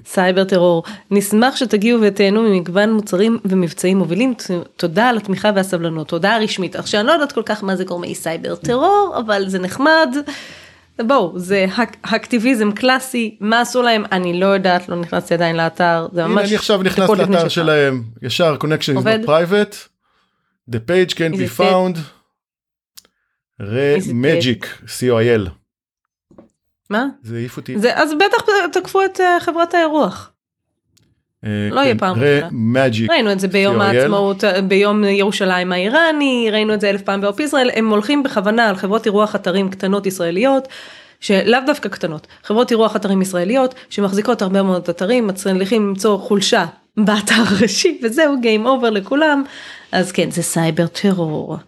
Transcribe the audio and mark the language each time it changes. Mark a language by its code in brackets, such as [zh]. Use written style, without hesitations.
[he] סייבר טרור, נשמח שתגיעו ותיהנו ממגוון מוצרים ומבצעים מובילים, תודה על התמיכה והסבלנות, תודה רשמית, עכשיו אני לא יודעת כל כך מה זה גורמי סייבר טרור, אבל זה נחמד, בואו, זה האקטיביזם קלאסי, מה עשו להם? אני לא יודעת, לא נכנסתי עדיין לאתר, זה ממש... הנה, אני עכשיו נכנס לאתר שלהם, ישר, [en] connection is not private, the page can be found, re-magic, C-O-I-L. [he] מה? זה העיף אותי. אז בטח תקפו את חברת האירוח. לא יהיה פעם. [en] re-magic, C-O-I-L. [he] ראינו את זה ביום העצמאות, ביום ירושלים האיראני, ראינו את זה אלף פעם באופ ישראל, הם הולכים בכוונה על חברות אירוח אתרים קטנות ישראליות, שלאו דווקא קטנות, חברות אירוח אתרים ישראליות, שמחזיקות הרבה מאוד אתרים, מצליחים למצוא חולשה באתר ראשי, וזהו, game over לכולם, אז כן, זה סייבר טרור.